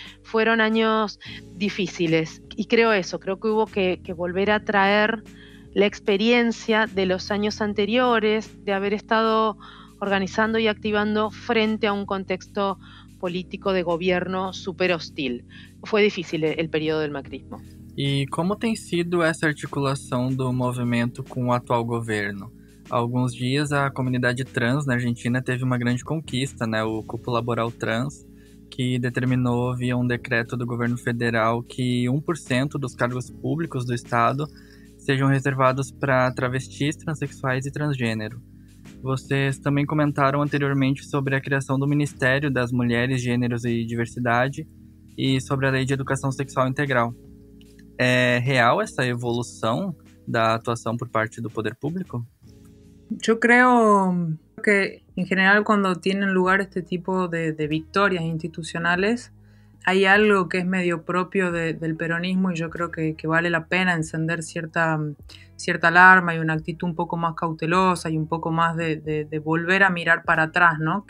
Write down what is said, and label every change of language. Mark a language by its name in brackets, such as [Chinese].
[Spanish] Fueron años difíciles y creo eso, creo que hubo que volver a traer la experiencia de los años anteriores, de haber estado organizando y activando frente a un contexto político de gobierno súper hostil. Fue difícil el periodo del macrismo. ¿Y cómo ha sido esa articulación del movimiento con el actual gobierno? [Portuguese] Há alguns dias, a comunidade trans na Argentina teve uma grande conquista, né? O cupo laboral trans, que determinou via um decreto do governo federal que 1% dos cargos públicos do Estado sejam reservados para travestis, transexuais e transgênero. Vocês também comentaram anteriormente sobre a criação do Ministério das Mulheres, Gêneros e Diversidade e sobre a Lei de Educação Sexual Integral. É real essa evolução da atuação por parte do poder público? [Spanish] Yo creo que en general cuando tienen lugar este tipo de victorias institucionales hay algo que es medio propio del peronismo y yo creo que vale la pena encender cierta alarma y una actitud un poco más cautelosa y un poco más de volver a mirar para atrás, ¿no?